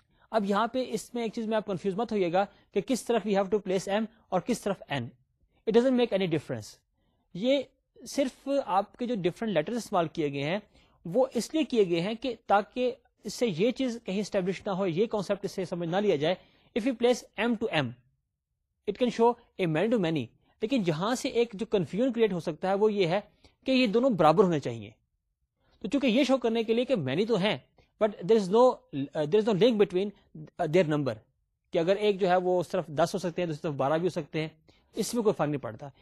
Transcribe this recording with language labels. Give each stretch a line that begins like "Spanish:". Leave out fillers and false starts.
Urdu: اب یہاں پہ اس میں ایک چیز میں آپ کنفیوز مت ہوئیے گا کہ کس طرف
English: you have to place M
Urdu: اور کس طرف N.
English: It doesn't make any difference.
Urdu: یہ صرف آپ کے جو ڈفرنٹ لیٹرز استعمال کیے گئے ہیں وہ اس لیے کیے گئے ہیں کہ تاکہ اس سے یہ چیز کہیں اسٹیبلش نہ ہو, یہ کانسیپٹ اس سے سمجھ نہ لیا جائے.
English: If you place M to M it can show a man to many.
Urdu: لیکن جہاں سے ایک جو کنفیوژن کریٹ ہو سکتا ہے وہ یہ ہے کہ یہ دونوں برابر ہونے چاہیے. تو چونکہ یہ شو کرنے کے لیے کہ مینی تو ہیں
English: but there is no link between their number,
Urdu: کہ اگر ایک جو ہے وہ صرف دس ہو سکتے ہیں دوسری طرف بارہ بھی ہو سکتے ہیں, اس میں کوئی فرق نہیں پڑتا.